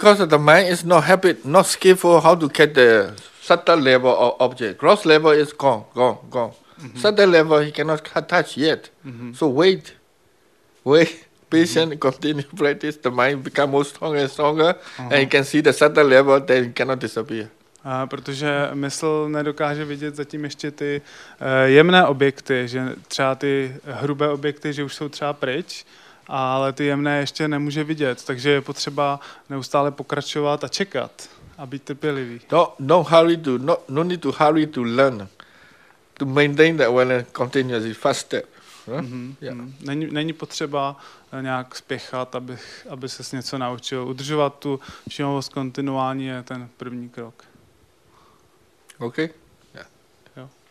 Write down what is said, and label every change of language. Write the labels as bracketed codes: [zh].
[en] Because the mind is not happy, not skillful how to get there. Subtle level of object. Gross level is gone. Mm-hmm. Subtle level he cannot touch yet. Mm-hmm. So wait, patient, continue practice, the mind become more stronger and stronger, uh-huh. And you can see the subtle level, then it cannot disappear. [cs] Protože mysl nedokáže vidět zatím ještě ty jemné objekty, že třeba ty hrubé objekty, že už jsou třeba pryč, ale ty jemné ještě nemůže vidět, takže je potřeba neustále pokračovat a čekat. A být trpělivý. [en] No need to hurry to learn. To maintain that when it continues, it's fast step. Huh? [cs] Není potřeba nějak spěchat, aby ses něco naučil. Udržovat tu všimnost kontinuální je ten první krok. [en] OK. Yeah. [cs] Jo.